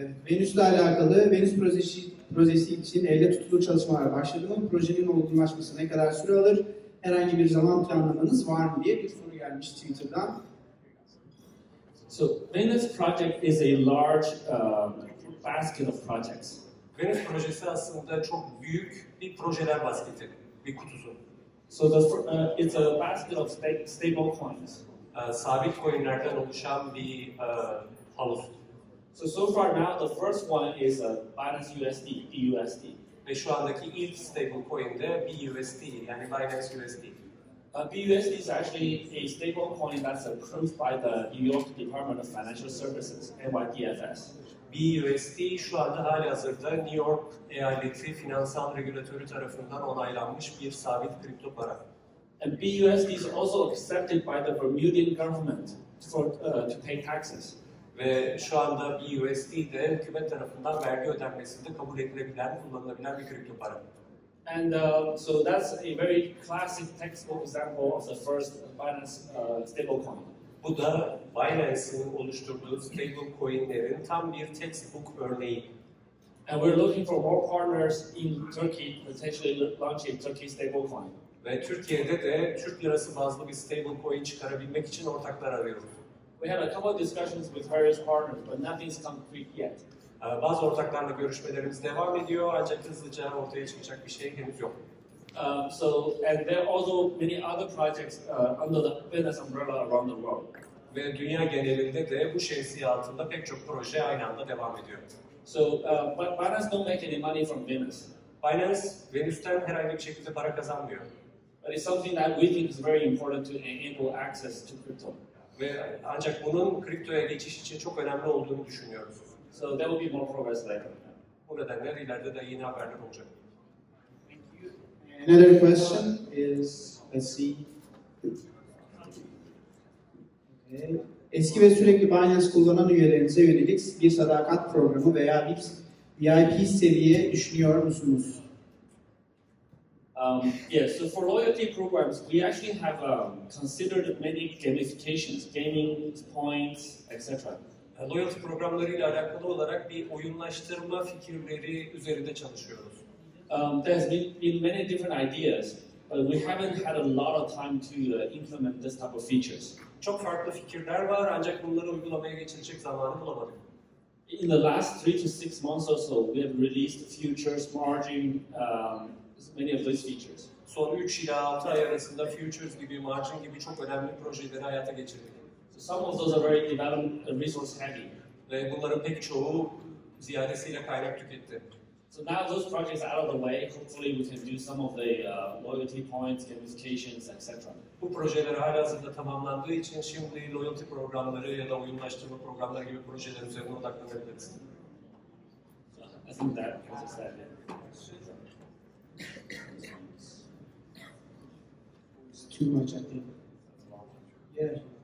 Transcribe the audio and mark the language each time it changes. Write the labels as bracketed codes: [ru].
[tr] Venus'la alakalı, Venus projesi için elde tutulur çalışmalar başladı mı? Projenin olgunlaşması ne kadar süre alır? Herhangi bir zaman planlamanız var mı diye bir soru gelmiş Twitter'dan. [en] So, Venus project is a large basket of projects. [tr] Venus projesi aslında çok büyük bir projeler basketi, bir kutusu. [en] So, it's a basket of stable coins. [tr] Sabit coinlerden oluşan bir halus. [en] So far now, the first one is Binance USD, BUSD. [tr] Ve şu andaki ilk stable coin de BUSD, yani Binance USD. [en] BUSD is actually a stable coin that's approved by the New York Department of Financial Services, NYDFS. [tr] BUSD şu anda hali hazırda New York Eyaleti Finansal Regülatörü tarafından onaylanmış bir sabit kripto para. [en] And BUSD is also accepted by the Bermudian government to pay taxes. [tr] Ve şu anda BUSD de hükümet tarafından vergi ödenmesinde kabul edilebilen, kullanılabilen bir kripto para. [en] And so that's a very classic textbook example of the first Binance stablecoin. [tr] Bu da Binance'ın oluşturduğu stablecoinlerin tam bir textbook örneği. [en] And we're looking for more partners in Turkey potentially launching Turkey stablecoin. [tr] Ve Türkiye'de de Türk lirası bazlı bir stablecoin çıkarabilmek için ortaklar arıyoruz. [en] We had a couple of discussions with various partners, but nothing's concrete yet. [tr] Bazı ortaklarla görüşmelerimiz devam ediyor, ancak hızlıca ortaya çıkacak bir şey henüz yok. [en] So, and there are also many other projects under the Venus umbrella around the world. [tr] Ve dünya genelinde de bu şemsiye altında pek çok proje aynı anda devam ediyor. [en] So, but Binance don't make any money from Venus. [tr] Binance, Venus'ten herhangi bir şekilde para kazanmıyor. [en] But it's something that we think is very important to enable access to crypto. [tr] Ve ancak bunun kriptoya geçiş için çok önemli olduğunu düşünüyoruz. [en] So there will be more progress later. [tr] Bu nedenle ileride de yeni haberler olacak. [en] Thank you. Another question is, let's see. Okay. [tr] Eski ve sürekli Binance kullanan üyelerinize yönelik bir sadakat programı veya bir VIP seviye düşünüyor musunuz? [en] Yes, so for loyalty programs, we actually have considered many gamifications, gaming points, etc. [tr] Loyalty programlarıyla alakalı olarak bir oyunlaştırma fikirleri üzerinde çalışıyoruz. [en] There's been many different ideas, but we haven't had a lot of time to implement this type of features. [tr] Çok farklı fikirler var, ancak bunları uygulamaya geçirecek zamanı bulamadık. [en] In the last 3 to 6 months or so, we have released futures, margin, many of these features. [tr] Son 3 ila 6 ay arasında futures gibi, margin gibi çok önemli projeleri hayata geçirdik. [en] So some of those are very development resource heavy. [tr] Ve bunların pek çoğu ziyadesiyle kaynak tüketti. [en] So now those projects are out of the way. Hopefully we can do some of the loyalty points, gamifications, etc. [tr] Bu projeler halihazırda tamamlandığı için şimdi loyalty programları ya da oyunlaştırma programları gibi projeler üzerine odaklanabiliriz. [en] I think that was a sad too much, I think. Yeah.